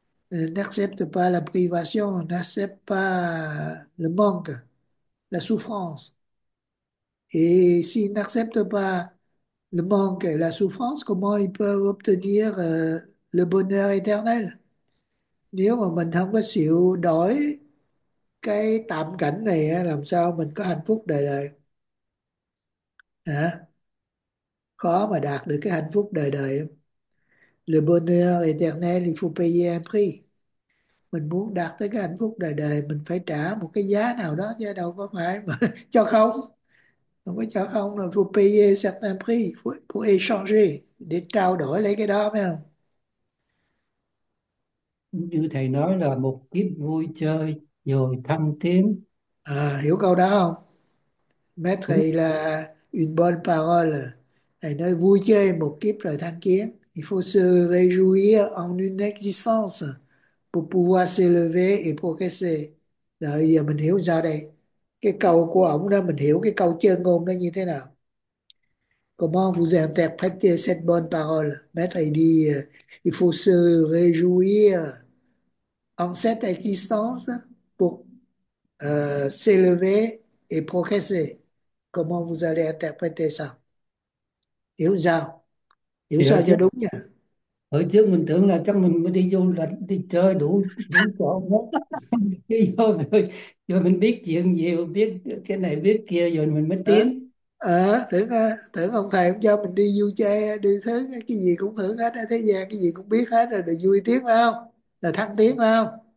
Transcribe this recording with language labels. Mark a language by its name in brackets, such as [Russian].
[French] Ils n'acceptent pas la privation, n'acceptent pas le manque, la souffrance. Et s'ils n'acceptent pas le manque et la souffrance, comment ils peuvent obtenir le bonheur éternel? [Vietnamese] Nếu mà mình không có chịu đổi cái tạm cảnh này, làm sao mình có hạnh phúc đời đời? Hả? Khó mà đạt được cái hạnh phúc đời đời. [French] Le bonheur éternel, il faut payer un prix. [Vietnamese] Mình muốn đạt tới cái hạnh phúc đời đời, mình phải trả một cái giá nào đó chứ đâu có phải mà cho không. Không có cho không, là [French] faut payer certain prix, faut échanger, [Vietnamese] để trao đổi lấy cái đó, phải không? Như thầy nói là một kiếp vui chơi rồi thăng tiến. À, hiểu câu đó không? Đúng. [French] Maître là une bonne parole. [Vietnamese] Thầy nói vui chơi một kiếp rồi thăng tiến. [French] Il faut se réjouir en une existence pour pouvoir s'élever et progresser. [Vietnamese] Rồi giờ mình hiểu ra đây. Cái câu của ông đó, mình hiểu cái câu chơn ngôn đó như thế nào. [French] Comment vous interprétez cette bonne parole? Mais [Vietnamese] thầy đi, [French] il faut se réjouir en cette existence pour s'élever et progresser. Comment vous allez interpréter ça? [Vietnamese] Hiểu sao? Hiểu Thì sao cho đúng hồi trước mình tưởng là chắc mình mới đi du lịch đi chơi đủ đủ chỗ nha. hết rồi mình biết chuyện nhiều, biết cái này biết kia rồi mình mới tiến. Tưởng tưởng ông thầy cũng cho mình đi du chơi đi thứ cái gì cũng thử hết, ở thế gian cái gì cũng biết hết rồi, được vui tiếng phải không, là thăng tiến phải không?